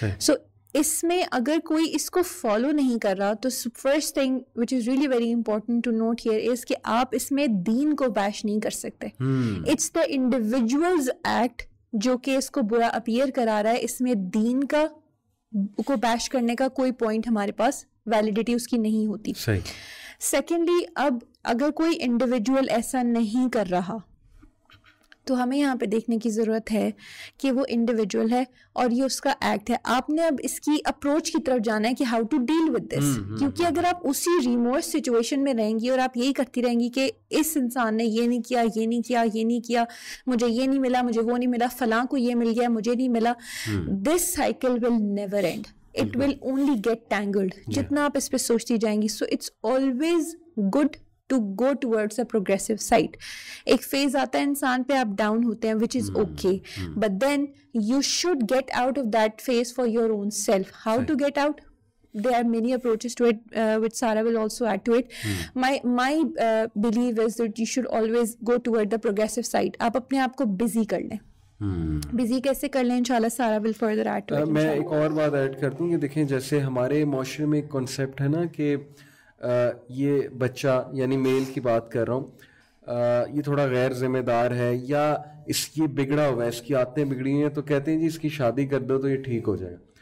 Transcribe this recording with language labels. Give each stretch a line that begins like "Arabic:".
Urdu: So isme agar koi isko follow nahi kar raha, to
English: first thing which is really very important to note here is
Urdu: ki aap isme deen ko bash nahi kar sakte.
English: It's the individual's act
Urdu: jo ke isko bura appear kara raha hai. Isme deen ka ko bash karne ka koi point hamare paas validity اس کی نہیں ہوتی. Secondly اب اگر کوئی individual ایسا نہیں کر رہا تو ہمیں یہاں پہ دیکھنے کی ضرورت ہے کہ وہ انڈیویجول ہے اور یہ اس کا ایکٹ ہے. آپ نے اب اس کی اپروچ کی طرف جانا ہے کہ
English: how to deal with this,
Urdu: کیونکہ اگر آپ اسی ریمورس سچویشن میں رہیں گی اور آپ یہی کرتی رہیں گی کہ اس انسان نے یہ نہیں کیا، یہ نہیں کیا، یہ نہیں کیا، مجھے یہ نہیں ملا، مجھے وہ نہیں ملا، فلاں کو یہ مل گیا، مجھے نہیں ملا،
English: This cycle will never end. It will only get tangled.
Urdu: جتنا آپ اس پہ سوچتی جائیں گی.
English: So it's always good to go towards a progressive side.
Urdu: ایک فیز آتا ہے انسان پہ آپ ڈاؤن ہوتے ہیں
English: which is okay. But then you should get out of that phase for your own self. How to get out? There are many approaches to it which Sara will also add to it. My belief is that you should always go toward the progressive side.
Urdu: آپ اپنے آپ کو busy کر لیں. Busy کیسے کر لیں؟ انشاءاللہ سارا
English: Will further add to.
Urdu: میں ایک اور بات ایڈ کر دوں کہ دیکھیں جیسے ہمارے معاشرے میں ایک کانسیپٹ ہے نا کہ یہ بچہ، یعنی میل کی بات کر رہا ہوں، یہ تھوڑا غیر ذمہ دار ہے یا اس کی بگڑا ہوا ہے، اس کی عادتیں بگڑی ہیں، تو کہتے ہیں جی اس کی شادی کر دو تو یہ ٹھیک ہو جائے گا.